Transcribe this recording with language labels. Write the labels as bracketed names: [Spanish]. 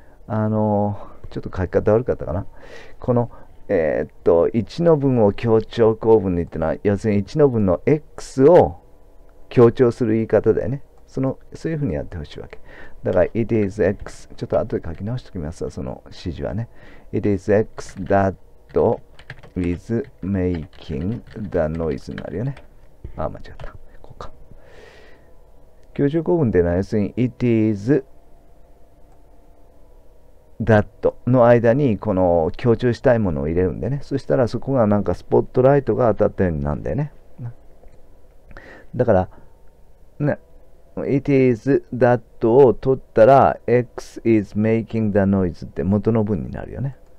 [Japanese] ちょっと書き方悪かったかな。1の文を強調構文にってのは、要するに1の文の X を強調する言い方だよね。そういうふうにやってほしいわけ。 [English] だから、It is X。 [Japanese] ちょっと後で書き直しておきますわ、その指示はね。 [English] It is X that is making the noise [Japanese] になるよね。ああ、間違った。強調構文っていうのは、要するに、 [English] It is that [Japanese] の間に、この強調したいものを入れるんでね。そしたら、そこがなんかスポットライトが当たったようになるんだよね。だから、ね、 [English] It is that [Japanese] を取ったら、 [English] X is making the noise [Japanese] って元の文になるよね。